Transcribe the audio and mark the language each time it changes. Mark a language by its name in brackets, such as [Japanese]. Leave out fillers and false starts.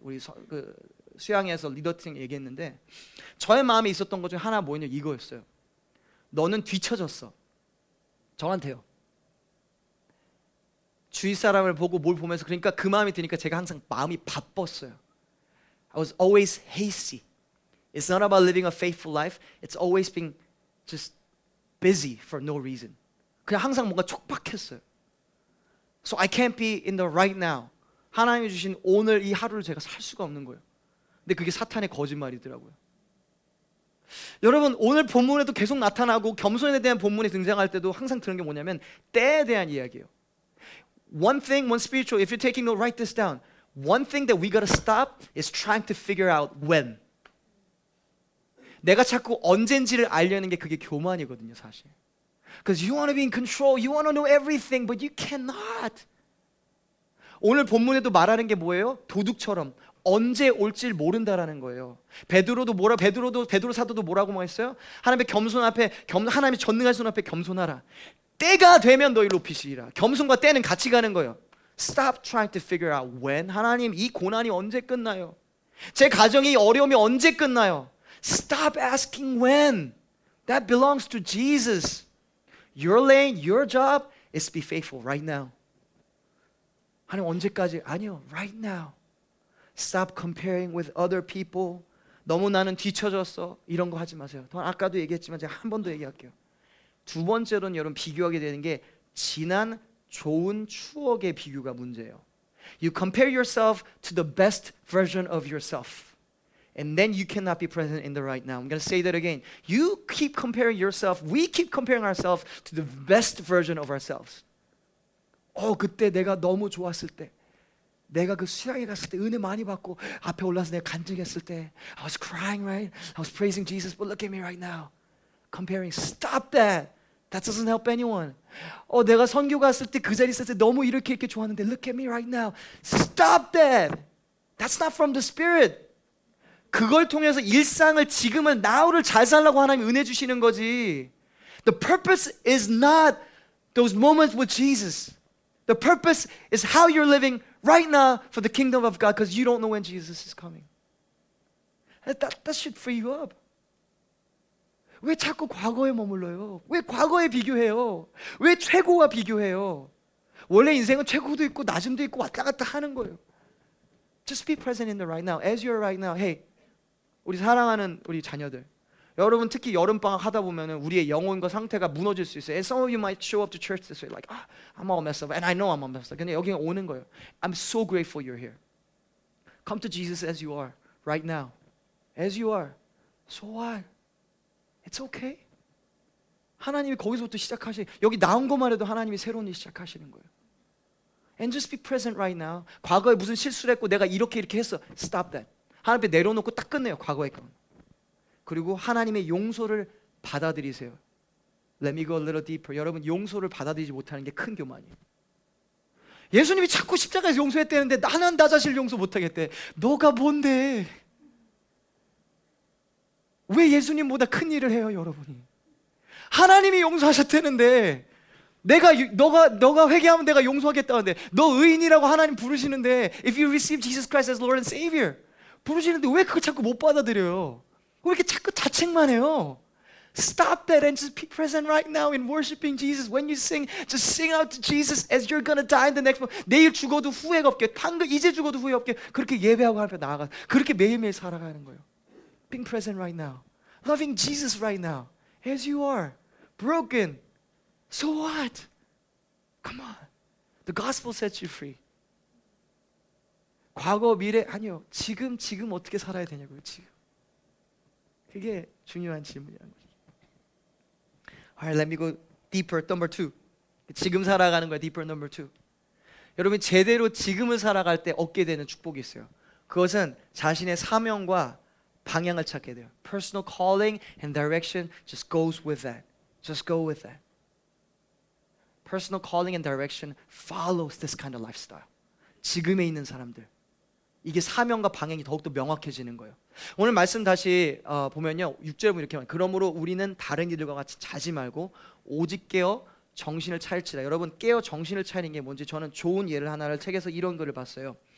[Korean] 우리 그 수양에서 리더팀 얘기했는데 저의 마음에 있었던 것 중에 하나 뭐였냐 이거였어요. 너는 뒤처졌어. 저한테요. 주위 사람을 보고 뭘 보면서 그러니까 그 마음이 드니까 제가 항상 마음이 바빴어요. [English] I was always hasty. It's not about living a faithful life. It's always being just busy for no reason. [Korean] 그냥 항상 뭔가 촉박했어요. [English] So I can't be in the right now. [Korean] 하나님이 주신 오늘 이 하루를 제가 살 수가 없는 거예요. 근데 그게 사탄의 거짓말이더라고요. 여러분 오늘 본문에도 계속 나타나고 겸손에 대한 본문이 등장할 때도 항상 들은 게 뭐냐면 때에 대한 이야기예요. [English] One thing, one spiritual, if you're taking note, write this down. One thing that we gotta stop is trying to figure out when. [Korean] 내가 자꾸 언젠지를 알려는 게 그게 교만이거든요, 사실. [English] Because you wanna be in control, you wanna know everything, but you cannot. [Korean] 오늘 본문에도 말하는 게 뭐예요? 도둑처럼. 언제 올지 모른다라는 거예요. 베드로도 뭐라 베드로 사도도 뭐라고 말했어요? 하나님의 겸손 앞에 하나님의 전능하신 앞에 겸손하라. 때가 되면 너희를 높이시리라. 겸손과 때는 같이 가는 거예요. [English] Stop trying to figure out when. [Korean] 하나님 이 고난이 언제 끝나요? 제 가정이 어려움이 언제 끝나요? [English] Stop asking when. That belongs to Jesus. Your lane, your job is to be faithful right now. [Korean] 하나님 언제까지? 아니요. [English] Right now. Stop comparing with other people. [Korean] 너무 나는 뒤처졌어. 이런 거 하지 마세요. 저는 아까도 얘기했지만 제가 한 번 더 얘기할게요. 두 번째로는 여러분 비교하게 되는 게 지난 좋은 추억의 비교가 문제예요. [English] You compare yourself to the best version of yourself. And then you cannot be present in the right now. I'm going to say that again. You keep comparing yourself, we keep comparing ourselves to the best version of ourselves. [Korean] 그때 내가 너무 좋았을 때 내가 그 수양에 갔을 때 은혜 많이 받고 앞에 올라서 내가 간증했을 때 [English] I was crying, right? I was praising Jesus, but look at me right now. Comparing, stop that. That doesn't help anyone. [Korean] 내가 선교 갔을 때 그 자리 있을 때 너무 이렇게 좋았는데 [English] look at me right now. Stop that. That's not from the Spirit. [Korean] 그걸 통해서 일상을 지금을 나우를 잘 살라고 하나님 은혜 주시는 거지. [English] The purpose is not those moments with Jesus. The purpose is how you're living right now for the kingdom of God because you don't know when Jesus is coming. That should free you up. [Korean] 왜 자꾸 과거에 머물러요? 왜 과거에 비교해요? 왜 최고와 비교해요? 원래 인생은 최고도 있고 낮음도 있고 왔다 갔다 하는 거예요. [English] Just be present in the right now. As you're right now, hey, [Korean] 우리 사랑하는 우리 자녀들. 여러분 특히 여름방학 하다 보면 우리의 영혼과 상태가 무너질 수 있어요. [English] And some of you might show up to church this way like, I'm all messed up. And I know I'm all messed up. [Korean] 근데 여기 오는 거예요. [English] I'm so grateful you're here. Come to Jesus as you are, right now. As you are. So what? It's okay. [Korean] 하나님이 거기서부터 시작하시 여기 나온 것만 해도 하나님이 새로운 일 시작하시는 거예요. [English] And just be present right now. [Korean] 과거에 무슨 실수를 했고 내가 이렇게 했어. [English] Stop that. [Korean] 하나님 앞에 내려놓고 딱 끝내요. 과거의 건. 그리고 하나님의 용서를 받아들이세요. [English] Let me go a little deeper. [Korean] 여러분 용서를 받아들이지 못하는 게 큰 교만이에요. 예수님이 자꾸 십자가에서 용서했대는데 나는 나 자신을 용서 못하겠대. 너가 뭔데? 왜 예수님보다 큰 일을 해요, 여러분이? 하나님이 용서하셨대는데 너가 회개하면 내가 용서하겠다는데 너 의인이라고 하나님 부르시는데 [English] If you receive Jesus Christ as Lord and Savior [Korean] 부르시는데 왜 그걸 자꾸 못 받아들여요? 왜 이렇게 자꾸 자책만 해요? [English] Stop that and just be present right now in worshiping Jesus. When you sing, just sing out to Jesus as you're gonna die in the next moment. [Korean] 내일 죽어도 후회가 없게, 방금 이제 죽어도 후회 없게 그렇게 예배하고 하나님 앞에 나아가 그렇게 매일매일 살아가는 거예요. [English] Being present right now. Loving Jesus right now. As you are. Broken. So what? Come on. The gospel sets you free. [Korean] 과거 미래 아니요 지금 지금 어떻게 살아야 되냐고요 지금 그게 중요한 질문이란 거죠. [English] Alright, let me go deeper. Number two. [Korean] 지금 살아가는 거야. [English] Deeper number two. [Korean] 여러분 제대로 지금을 살아갈 때 얻게 되는 축복이 있어요. 그것은 자신의 사명과 방향을 찾게 돼요. [English] Personal calling and direction just goes with that. Just go with that. Personal calling and direction follows this kind of lifestyle. [Korean] 지금에 있는 사람들. 이게 사명과 방향이 더욱더 명확해지는 거예요. 오늘 말씀 다시 보면요. 6절에 이렇게 말해요. 그러므로 우리는 다른 이들과 같이 자지 말고 오직 깨어 정신을 차릴지라. 여러분 깨어 정신을 차리는 게 뭔지 저는 좋은 예를 하나를 책에서 이런 글을 봤어요.